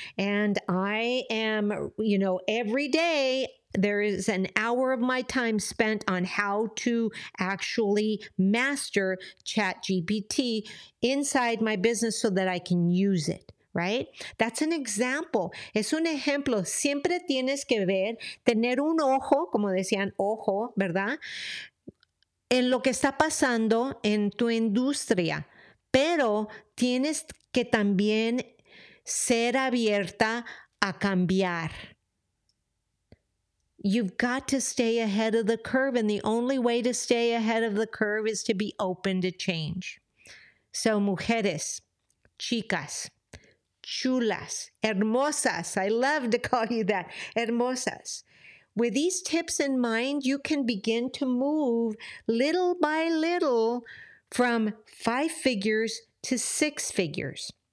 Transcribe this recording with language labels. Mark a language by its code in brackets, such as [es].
[en] And I am, you know, every day there is an hour of my time spent on how to actually master ChatGPT inside my business so that I can use it. Right? That's an example. [es] Es un ejemplo. Siempre tienes que ver, tener un ojo, como decían, ojo, ¿verdad? En lo que está pasando en tu industria. Pero tienes que también ser abierta a cambiar. [en] You've got to stay ahead of the curve. And the only way to stay ahead of the curve is to be open to change. [es] So, mujeres, chicas, chulas, hermosas. [en] I love to call you that. Hermosas. With these tips in mind, you can begin to move little by little from five figures to six figures.